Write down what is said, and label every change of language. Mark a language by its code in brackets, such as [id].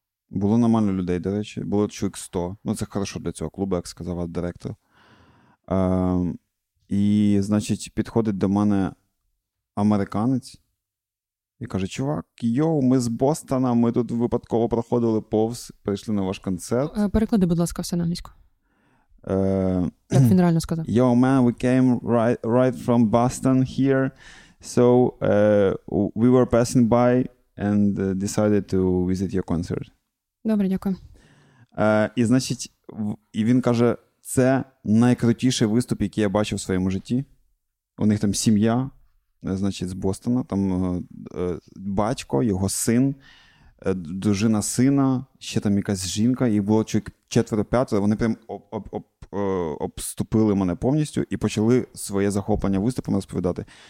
[uk] Було нормально людей, до речі. Було чоловік 100. Ну, це хорошо для цього клубу, як сказав директор. І, значить, підходить до мене американець і каже: чувак, йоу, ми з Бостона, ми тут випадково проходили повз, прийшли на ваш концерт. Переклади, будь ласка, все на англійську. Як він реально сказав. [en] Yo, man, we came right from Boston here, so we were passing by and decided to visit your concert. [uk] Добре, дякую. І, значить, і він каже, це найкрутіший виступ, який я бачив в своєму житті. У них там сім'я, значить, з Бостона, там батько, його син, дружина сина, ще там якась жінка, їх було чоловік четверо-п'ятеро, вони прям обступили мене повністю і почали своє захоплення виступом розповідати.